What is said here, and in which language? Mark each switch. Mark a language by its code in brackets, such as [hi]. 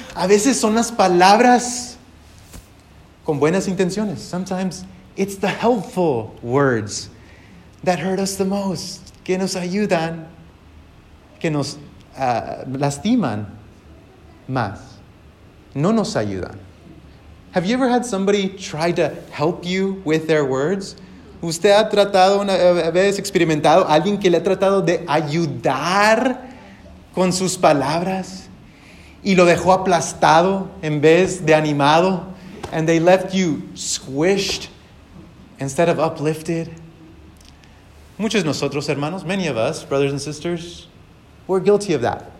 [es] A veces son las palabras con buenas intenciones. [en] Sometimes it's the helpful words that hurt us the most. [es] Que nos ayudan. Que nos lastiman más. No nos ayudan. [en] Have you ever had somebody try to help you with their words? [es] ¿Usted ha tratado una vez experimentado alguien que le ha tratado de ayudar con sus palabras y lo dejó aplastado en vez de animado? [en] And they left you squished instead of uplifted. [es] Muchos de nosotros, hermanos, [en] many of us, brothers and sisters, we're guilty of that.